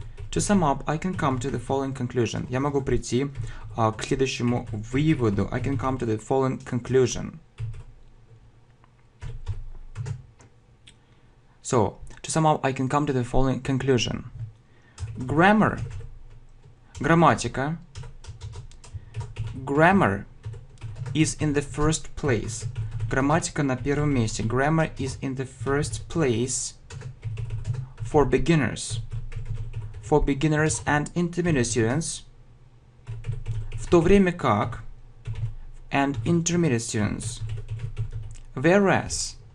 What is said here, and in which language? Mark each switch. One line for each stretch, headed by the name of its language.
English: To sum up, I can come to the following conclusion.
Russian: Я могу прийти к следующему выводу.
English: I can come to the following conclusion. So, to sum up, I can come to the following conclusion. Grammar. Грамматика. Grammar is in the first place.
Russian: Грамматика на первом месте.
English: Grammar is in the first place for beginners. For beginners and intermediate students.
Russian: В то время как
English: and intermediate students. Whereas.